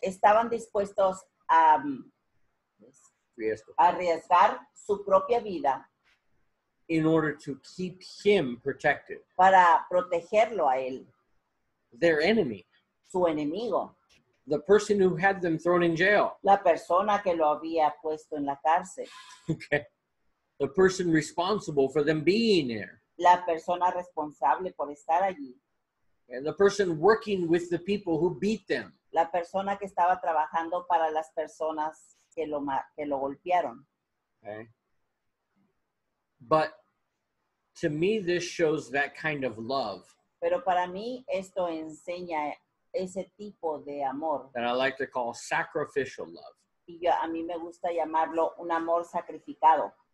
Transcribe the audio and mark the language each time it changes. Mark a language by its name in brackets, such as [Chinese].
[Spanish] Estaban dispuestos a arriesgar su propia vida [English] in order to keep him protected. [Spanish] Para protegerlo a él. [English] Their enemy. [Spanish] Su enemigo. [English] The person who had them thrown in jail. [Spanish] La persona que lo había puesto en la cárcel. [English] Okay. The person responsible for them being there. [Spanish] La persona responsable por estar allí. [English] And the person working with the people who beat them. [Spanish] La persona que estaba trabajando para las personas que lo golpearon. [English] Okay. But to me, this shows that kind of love. [Spanish] Pero para mí, esto enseña ese tipo de amor. [English] That I like to call sacrificial love. [Spanish] Y yo, a mí me gusta llamarlo un amor sacrificado.